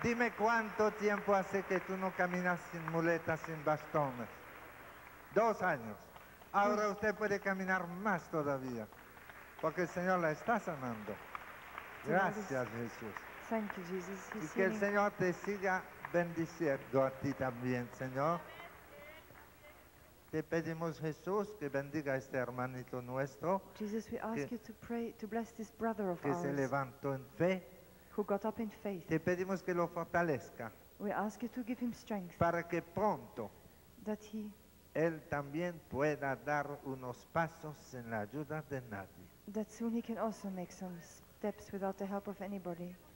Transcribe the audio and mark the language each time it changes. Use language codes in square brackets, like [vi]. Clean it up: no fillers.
[es] Dime cuánto tiempo hace que tú no caminas sin muletas, sin bastones. 2 años. Ahora usted puede caminar más todavía, porque el Señor la está sanando. Gracias, Jesús. [en] Thank you, Jesus. [es] Y que el Señor te siga bendiciendo a ti también, Señor. Te pedimos, Jesús, que bendiga a este hermanito nuestro. [en] Jesus, we ask you to pray to bless this brother of [es] que [en] ours. [es] Que se levantó en fe. [en] Who got up in faith. [es] Te pedimos que lo fortalezca. [en] We ask you to give him strength. [es] Para que pronto. [en] That he. [es] Él también pueda dar unos pasos sin la ayuda de nadie. [en] That soon he can also make some steps without the help of anybody.